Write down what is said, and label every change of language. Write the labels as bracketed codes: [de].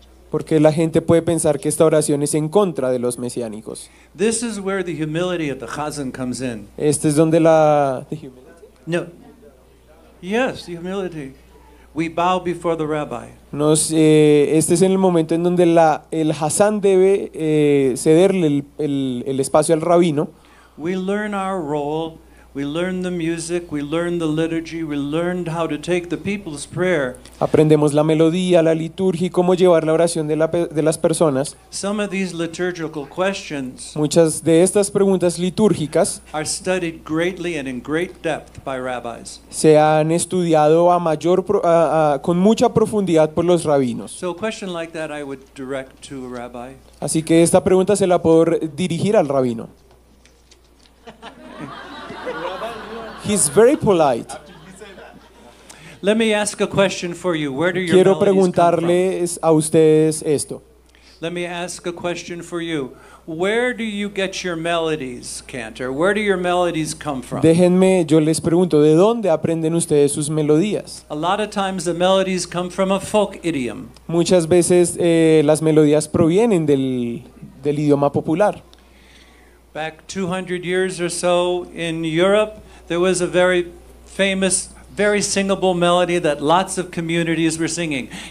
[es] Porque la gente puede pensar que esta oración es en contra de los mesiánicos. [en] This is where the humility of the chazan comes in. [es] Este es donde la [en] No. Yes, the humility. We bow before the rabbi. [es] Este es el momento en donde el chazan debe cederle el espacio al rabino. [en] We learn our role. We learn the music, we learn the liturgy, we learned how to take the people's prayer. [es] Aprendemos la melodía, la liturgia y cómo llevar la oración de las personas. [en] Some of these liturgical questions, [es] muchas de estas preguntas litúrgicas, [en] are studied greatly and in great depth by rabbis. [es] Se han estudiado con mucha profundidad por los rabinos. [en] So a question like that I would direct to a rabbi. [es] Así que esta pregunta se la puedo dirigir al rabino. [en] He's very polite. Let me ask a question for you. Where do your [es] Quiero preguntarles [en] come from? [es] A ustedes esto. [en] Let me ask a question for you. Where do you get your melodies, Cantor? Where do your melodies come from? [es] Déjenme, yo les pregunto, ¿de dónde aprenden ustedes sus melodías? [en] A lot of times the melodies come from a folk idiom. [es] Muchas veces las melodías provienen del idioma popular. [en] Back 200 years or so in Europe, there was a very famous, very singable melody that lots of communities were singing.